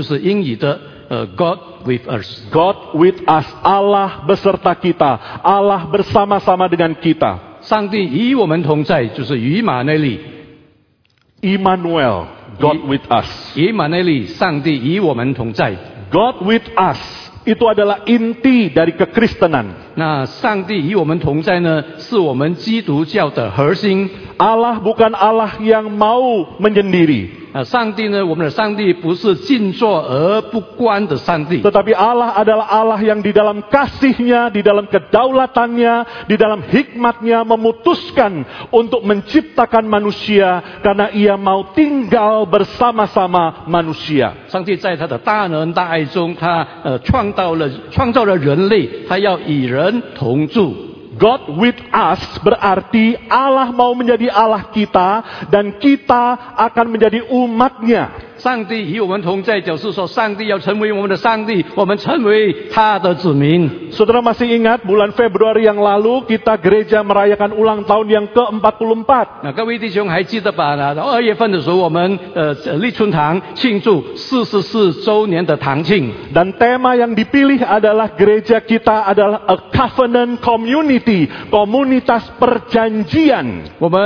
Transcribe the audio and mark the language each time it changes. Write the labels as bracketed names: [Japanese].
[Chinese] 四个月前在圣诞节这个正道的环节中，我正道了，我把它归纳，关于这个我们基督教呢，我们可以总结用三个字来描述，就是英语的 [English] God with us. God with us, [Indonesian] Allah beserta kita, Allah bersama-sama dengan kita. [Chinese] 上帝与我们同在，就是以马内利。 [English] Immanuel, God with us. [Chinese] 以马内利，上帝与我们同在。 [English] God with us. [Indonesian] Itu adalah inti dari kekristenan. [Chinese] Nah, 上帝与我们同在呢, 是我们基督教的核心. [Indonesian] Allah bukan Allah yang mau menyendiri. [Chinese] 上帝呢, 我们的上帝不是静坐而不观的上帝. [Indonesian] Tetapi Allah adalah Allah yang di dalam kasihnya, di dalam kedaulatannya, di dalam hikmatnya memutuskan untuk menciptakan manusia karena ia mau tinggal bersama-sama manusia. [Chinese] 上帝在他的大能大爱中, 他创造了人类, 他要与人同住. [English] God with us [Indonesian] berarti Allah mau menjadi Allah kita dan kita akan menjadi umat-Nya. [Chinese] 上帝与我们同在，就是说，上帝要成为我们的上帝，我们成为他的子民。 [Indonesian] Saudara masih ingat bulan Februari yang lalu kita gereja merayakan ulang tahun yang ke-44. [Chinese] Nah, 各位弟兄还记得吧？2月份的时候，我们立春堂庆祝44周年的堂庆。 [Indonesian] Dan tema yang dipilih adalah gereja kita adalah [English] a covenant community, [Indonesian] komunitas perjanjian.